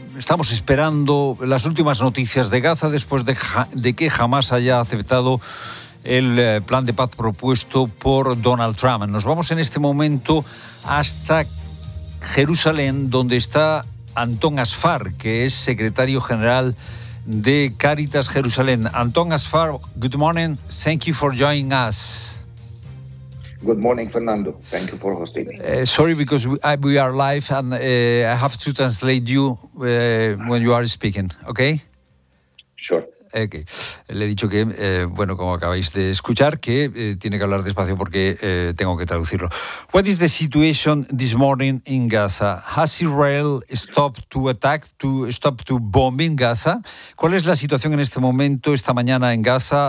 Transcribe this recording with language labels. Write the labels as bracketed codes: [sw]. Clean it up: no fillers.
[es] Estamos esperando las últimas noticias de Gaza después de que Hamás haya aceptado el plan de paz propuesto por Donald Trump. Nos vamos en este momento hasta Jerusalén, donde está Antón Asfar, que es secretario general de Cáritas Jerusalén. [en] Antón Asfar, good morning, thank you for joining us. Good morning, Fernando, thank you for hosting me. Sorry, because we are live and I have to translate you when you are speaking, okay? Sure. Okay. [es] Le he dicho que, bueno, como acabáis de escuchar, que tiene que hablar despacio porque tengo que traducirlo. [en] What is the situation this morning in Gaza? Has Israel stopped to attack, to stop to bombing Gaza? [es] ¿Cuál es la situación en este momento, esta mañana en Gaza?